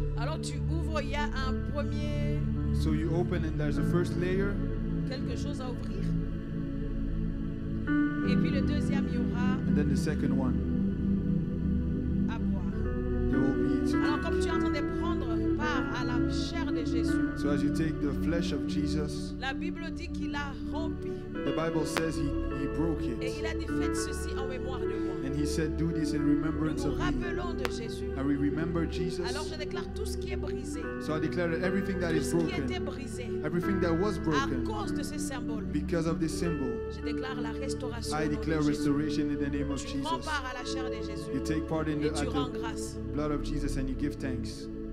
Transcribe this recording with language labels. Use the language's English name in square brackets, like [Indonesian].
[French] Alors tu ouvres, il y a un premier. [English] So you open and there's a first layer. [French] Quelque chose à ouvrir. Et puis le deuxième, il y aura. [English] And then the second one. [French] À boire. [English] There will be. [French] Alors comme tu es en train de prendre part à la chair de Jésus. [English] So as you take the flesh of Jesus, [French] la Bible dit qu'il a rompu. [English] The Bible says he broke it. [French] Et il a dit, faites ceci en mémoire de moi. [English] And he said, do this in remembrance [French] nous [English] of me. [French] Nous rappelons de Jésus. [English] And we remember Jesus. [French] Alors je déclare tout ce qui est brisé. [English] So I declare that everything that [French] tout [English] is broken. [French] Tout ce qui était brisé. [English] Everything that was broken. [French] À cause de ce symbole. [English] Because of this symbol. [French] Je déclare la restauration. [English] I declare restoration in the name of [French] tu [English] Jesus. [French] Tu prends part à la chair de Jésus. [English] You take part in [French] et [English] the, [French] tu rends grâce. [English] The blood of Jesus and you give thanks.